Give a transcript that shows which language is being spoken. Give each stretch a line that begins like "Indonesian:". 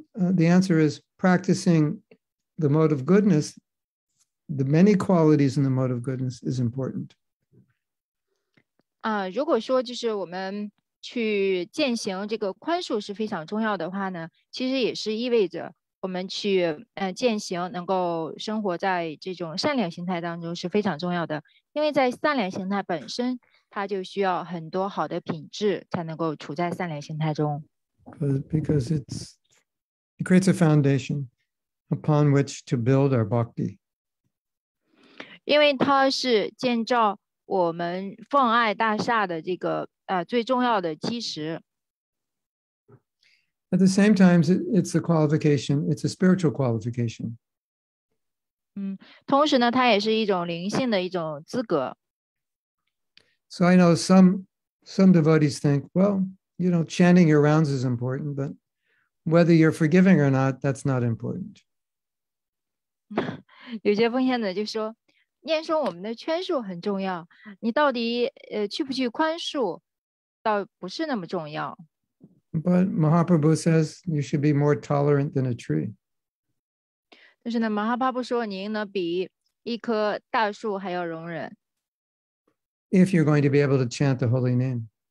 English: The answer is practicing the mode of goodness, the many qualities in the mode of goodness is important.
Chinese: 如果说就是我们 去践行这个宽恕是非常重要的话呢，其实也是意味着我们去践行能够生活在这种善良形态当中是非常重要的，因为在善良形态本身，它就需要很多好的品质才能够处在善良形态中。
English: Because it creates a foundation upon which to build our bhakti.
Chinese: 因为它是建造 我们奉爱大厦的这个最重要的基石。
English: At the same time, it's a qualification, it's a spiritual qualification.
Chinese: 同时呢，它也是一种灵性的一种资格。
English: So I know some devotees think, well, you know, chanting your rounds is important, but whether you're forgiving or not, that's not important.
Chinese: 有些奉献者就说， 念诵我们的圈数很重要，你到底去不去宽恕，倒不是那么重要。
English: But Mahaprabhu says you should be more tolerant than a tree.
Chinese: 但是呢，Mahaprabhu说您呢比一棵大树还要容忍。
English: If you're going to be able to chant the holy name.